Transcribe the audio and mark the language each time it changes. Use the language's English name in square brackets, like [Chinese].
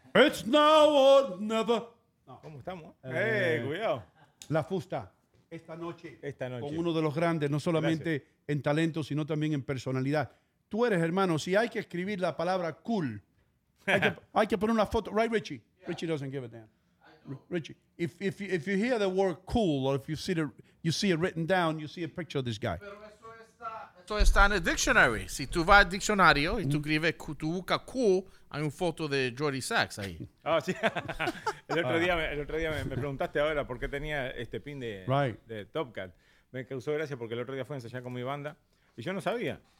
[English] It's now or never. [Spanish] ¿Cómo estamos? Cuidado. La fusta. Esta noche. Con uno de los grandes, no solamente gracias. En talento, sino también en personalidad. Tú eres, hermano, si hay que escribir la palabra cool, hay que poner una foto. [English] Right, Richie? Yeah. Richie doesn't give a damn. Richie, if you hear the word cool or if you see it written down, you see a picture of this guy. [Spanish] Pero eso está en el dictionary. Si tú vas al diccionario y tú escribes, tú buscas cool, hay una foto de Jordi Sachs ahí. Oh, sí. El otro día me preguntaste ahora por qué tenía este pin de Top Cat. Me causó gracia porque el otro día fue a ensayar con mi banda y yo no sabía.